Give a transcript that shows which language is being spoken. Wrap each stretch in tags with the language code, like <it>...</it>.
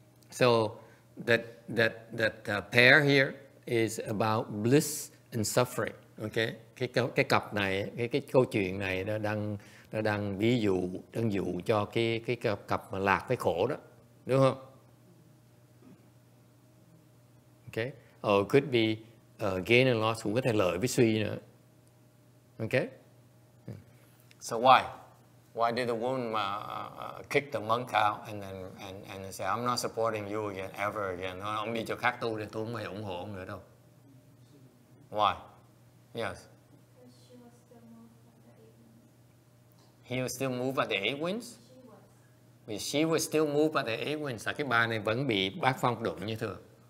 <en>So that pair here is about bliss and suffering.</en> <vi>Okay, cái cặp này, cái câu chuyện này đang ví dụ, đang dụ cho cái cặp mà lạc với khổ đó, đúng không?</vi> <en>Okay. Or it could be gain and loss,</en> <vi>cũng có thể lợi với suy nữa.</vi> <en>Okay. So why? Why did the woman kick the monk out and then say, I'm not supporting you again, ever again.</en> <vi>Ông đi cho khác tu thì tôi không phải ủng hộ ông nữa đâu.</vi> <en>Why? Yes. He was still moved by the eight winds? She was still moved by the eight winds.</en> <vi>Cái bà này vẫn bị bác phong đụng như thường.</vi>